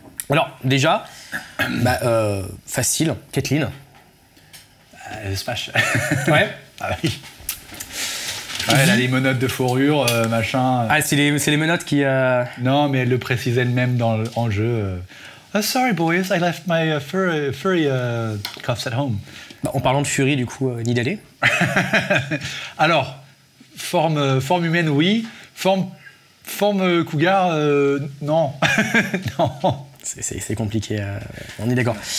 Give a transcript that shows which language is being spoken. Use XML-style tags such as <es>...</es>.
<fr>Alors, déjà, facile, Kathleen. Smash. Ouais. Ouais, elle a les menottes de fourrure, machin. Ah, c'est les menottes qui... Non, mais elle le précise elle-même dans le jeu.</fr> <en>Oh, sorry, boys, I left my furry cuffs at home.</en> <fr>Bah, en parlant de furie, du coup, ni d'aller. Alors, forme humaine, oui. Forme cougar, non. Non. C'est compliqué, on est d'accord.</fr>